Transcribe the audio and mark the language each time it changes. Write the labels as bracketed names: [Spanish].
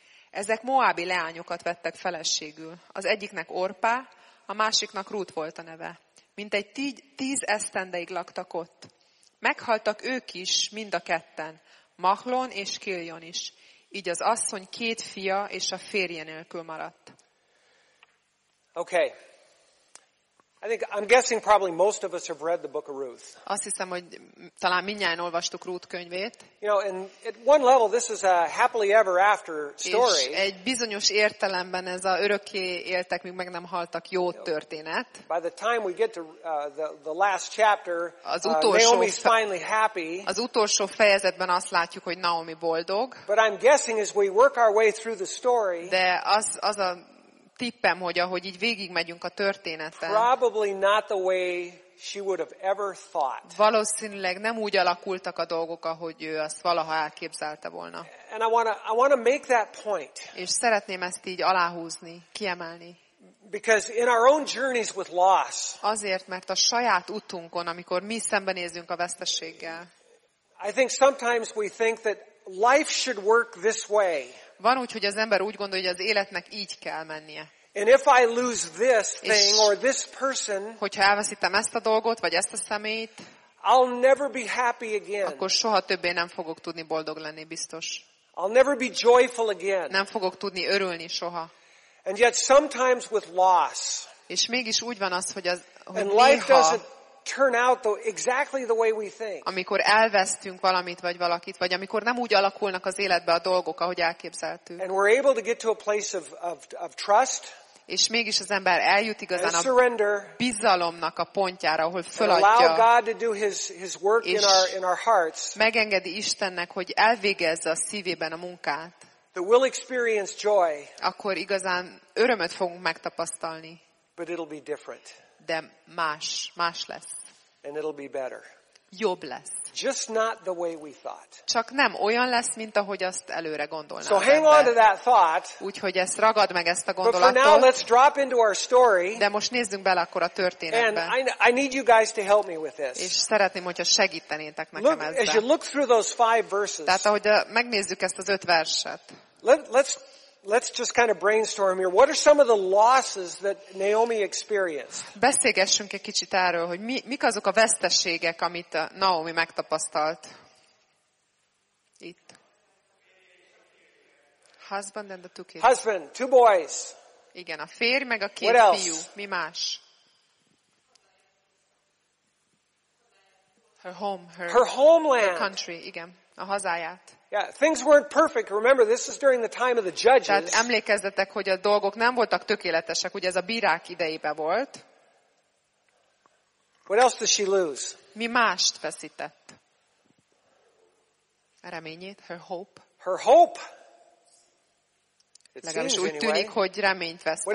[Hungarian] Ezek moábi leányokat vettek feleségül. Az egyiknek Orpá, a másiknak Ruth volt a neve. Mintegy 10 esztendeig laktak ott. Meghaltak ők is, mind a ketten, Mahlón és Kiljon is. Így az asszony két fia és a férje nélkül maradt. [English] Okay. I think I'm guessing probably most of us have read the book of Ruth. [Hungarian] Azt hiszem, hogy talán mindnyáján olvastuk Ruth könyvét. [English] You know, and at one level this is a happily ever after story. [Hungarian] És egy bizonyos értelemben ez a örökké éltek, míg meg nem haltak jó történet. [English] By the time we get to the last chapter, Naomi's finally happy. [Hungarian] Az utolsó fejezetben azt látjuk, hogy Naomi boldog. [English] But I'm guessing as we work our way through the story. [Hungarian] De az a tippem, hogy ahogy így végigmegyünk a történeten. [English] Probably not the way she would have ever thought. [Hungarian] Valószínűleg nem úgy alakultak a dolgok, ahogy ő azt valaha elképzelte volna. [English] And I wanna make that point. [Hungarian] És szeretném ezt így aláhúzni, kiemelni. [English] Because in our own journeys with loss. [Hungarian] Azért, mert a saját utunkon, amikor mi szembenézünk a veszteséggel. [English] I think sometimes we think that life should work this way. [Hungarian] Van úgy, hogy az ember úgy gondolja, hogy az életnek így kell mennie. [English] And if I lose this thing or this person, [Hungarian] hogyha elveszítem ezt a dolgot, vagy ezt a személyt, [English] I'll never be happy again. [Hungarian] Akkor soha többé nem fogok tudni boldog lenni, biztos. [English] I'll never be joyful again. [Hungarian] Nem fogok tudni örülni soha. [English] And yet sometimes with loss, [Hungarian] és mégis úgy van az, hogy [English] and life doesn't turn out exactly the way we think. [Hungarian] Amikor elvesztünk valamit vagy valakit, vagy amikor nem úgy alakulnak az életbe a dolgok, ahogy elképzeltük. [English] And we're able to get to a place of trust. [Hungarian] És mégis az ember eljut igazán a bizalomnak a pontjára, ahol föladja. [English] Allow God to do his work in our hearts. [Hungarian] Megengedi Istennek, hogy elvégezze a szívében a munkát. [English] That we'll experience joy. [Hungarian] Akkor igazán örömet fogunk megtapasztalni. [English] But it'll be different. [Hungarian] De más lesz. [English] And it'll be better. [Hungarian] Jobb lesz. [English] Just not the way we thought. [Hungarian] Csak nem olyan lesz, mint ahogy azt előre gondolnánk. [English] So hang on to that thought. [Hungarian] Úgyhogy ezt ragad meg ezt a gondolatot. [English] But for now, let's drop into our story. [Hungarian] De most nézzünk bele akkor a történetbe. [English] And I need you guys to help me with this. [Hungarian] És szeretném, hogyha segítenétek nekem ezzel. [English] As you look through those five verses. [Hungarian] Tehát ahogy megnézzük ezt az öt verset. [English] Let's just kind of brainstorm here. What are some of the losses that Naomi experienced? [Hungarian] Beszélgessünk egy kicsit arról, hogy mik azok a veszteségek, amit Naomi megtapasztalt. Itt. [English] Husband and the two kids. Husband, two boys. [Hungarian] Igen, a férj meg a két fiú. Mi más? [English] Her home, her homeland. Her country, [Hungarian] igen, a hazáját. [English] Yeah, things weren't perfect. Remember, this is during the time of the judges. [Hungarian] Tehát emlékezzetek, hogy a dolgok nem voltak tökéletesek, ugye ez a bírák idejébe volt. [English] What else does she lose? [Hungarian] Mi mást veszített? Reményét, [English] her hope. Her hope. [Hungarian] Legalábbis úgy tűnik, hogy reményt vesztett.